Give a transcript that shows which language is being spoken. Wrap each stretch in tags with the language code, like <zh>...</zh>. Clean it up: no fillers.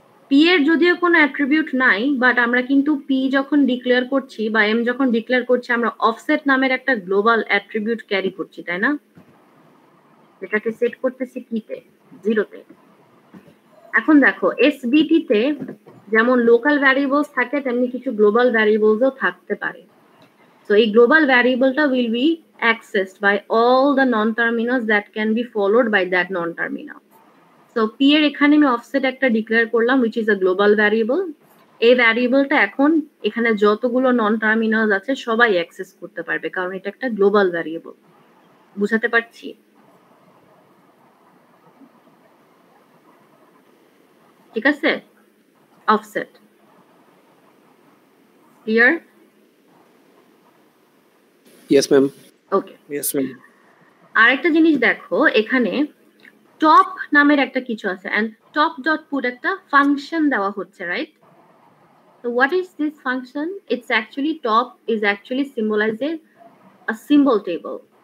<bn>P এর যদিও কোনো অ্যাট্রিবিউট নাই, বাট আমরা কিন্তু পি যখন ডিক্লেয়ার করছি বা এম যখন ডিক্লেয়ার করছি, আমরা অফসেট নামের একটা গ্লোবাল অ্যাট্রিবিউট ক্যারি করছি, তাই না? এটাকে সেট করতেছি কিতে, জিরোতে। এখন দেখো এসবিটি তে যেমন লোকাল ভ্যারিয়েবলস থাকে, তেমনি কিছু গ্লোবাল ভ্যারিয়েবলসও থাকতে পারে।</bn> <en>So a global variable will be accessed by all the non-terminals that can be followed by that non-terminal.</en> <bn>So p এর এখানে আমি অফসেট একটা ডিক্লেয়ার করলাম</bn> <en>which is a global variable.</en> <bn>এই ভ্যারিয়েবলটা এখন এখানে যতগুলো নন টার্মিনালস আছে সবাই অ্যাক্সেস করতে পারবে কারণ এটা একটা গ্লোবাল ভ্যারিয়েবল বুঝাতে পারছি ঠিক আছে offset clear</bn> <en>yes ma'am okay yes ma'am</en> <bn>আরেকটা জিনিস দেখো এখানে টপ নামের একটা কিছু আছে এন্ড টপ ডট পুট একটা ফাংশন দেওয়া হচ্ছে right</bn> <en>So what is this function? It's actually top is actually symbolizes a symbol table.</en>